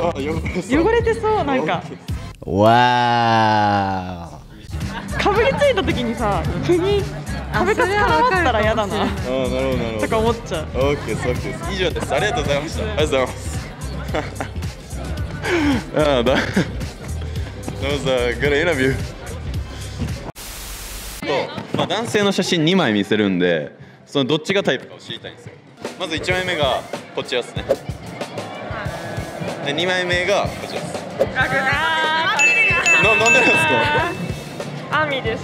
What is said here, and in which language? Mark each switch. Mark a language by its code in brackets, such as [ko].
[ja] あ、汚れそう。汚れてそう、なんか。わー、かぶりついた時にさ、ふに壁かつ絡まったら嫌だな。あ、なるほどなるほど、とか思っちゃう。オーケーです、オーケーです。以上です、ありがとうございました。ありがとうございます。ああ、だ。 [en] That was a good interview. [ja] と、まあ、男性の写真2枚見せるんで、そのどっちがタイプかを知りたいんですよ。まず1枚目がこちらですね。で、2枚目がこちらです。ああ、なんでなんですか？アミです。